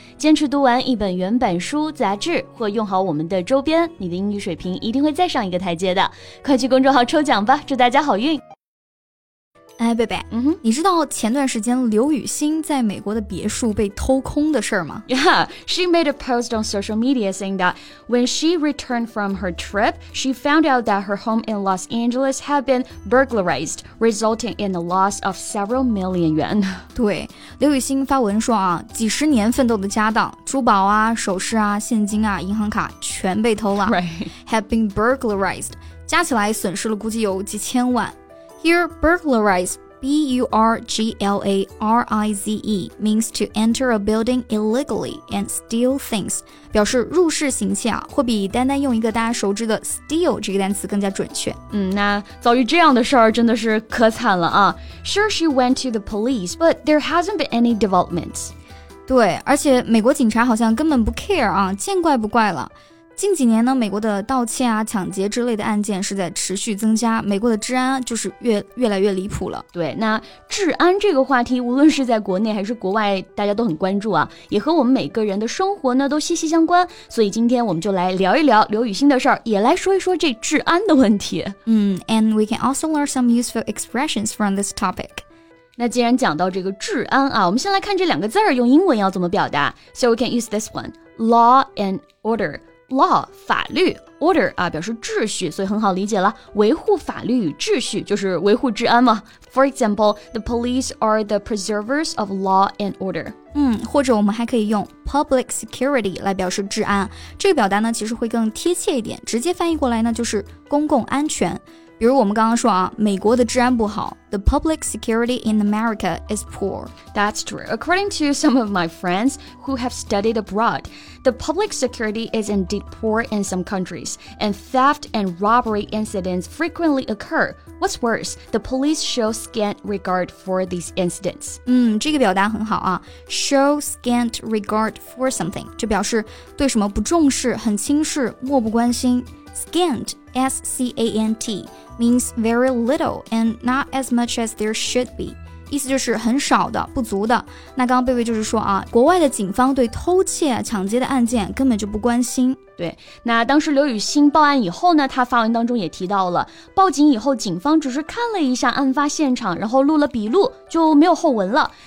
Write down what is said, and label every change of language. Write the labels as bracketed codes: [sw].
[zh] 坚持读完一本原版书、杂志或用好我们的周边，你的英语水平一定会再上一个台阶的。快去公众号抽奖吧，祝大家好运。哎，贝贝，嗯哼，你知道前段时间刘雨昕在美国的别墅被偷空的事儿吗？ [en] Yeah, she made a post on social media saying that when she returned from her trip, she found out that her home in Los Angeles had been burglarized, resulting in a loss of several million yuan. [zh] 对，刘雨昕发文说啊，几十年奋斗的家当，珠宝啊、首饰啊、现金啊、银行卡全被偷了。 [en] Right. Had been burglarized, [zh] 加起来损失了估计有几千万。 [en] Here, burglarize, B-U-R-G-L-A-R-I-Z-E, means to enter a building illegally and steal things. [zh] 表示入室行窃啊，会比单单用一个大家熟知的 steal 这个单词更加准确。嗯，那遭遇这样的事儿真的是可惨了啊。 [en] Sure, she went to the police, but there hasn't been any developments. [zh] 对，而且美国警察好像根本不 care 啊，见怪不怪了。近几年呢，美国的盗窃啊、抢劫之类的案件是在持续增加，美国的治安就是越来越离谱了。对，那治安这个话题，无论是在国内还是国外，大家都很关注啊，也和我们每个人的生活呢都息息相关。所以今天我们就来聊一聊刘雨昕的事儿，也来说一说这治安的问题。 [en] And we can also learn some useful expressions from this topic. [zh] 那既然讲到这个治安啊，我们先来看这两个字儿用英文要怎么表达。 [en] So we can use this one, law and order. [zh] Law, 法律 order, 啊表示秩序，所以很好理解了。维护法律与秩序就是维护治安嘛。 [en] For example, the police are the preservers of law and order. [zh] 或者我们还可以用 public security 来表示治安。这个表达呢其实会更贴切一点，直接翻译过来呢就是公共安全。比如我们刚刚说啊，美国的治安不好， [en] The public security in America is poor. That's true. According to some of my friends who have studied abroad, the public security is indeed poor in some countries, and theft and robbery incidents frequently occur. What's worse, the police show scant regard for these incidents. [zh] 这个表达很好啊， [en] show scant regard for something, [zh] 就表示对什么不重视，很轻视，漠不关心。 [en] Scant, S-C-A-N-T, means very little and not as much as there should be. [zh] 意思就是很少的，不足的。那刚刚贝贝就是说啊，国外的警方对偷窃、抢劫的案件根本就不关心。对，那当时刘雨昕报案以后呢，他发文当中也提到了，报警以后警方只是看了一下案发现场，然后录了笔录，就没有后文了。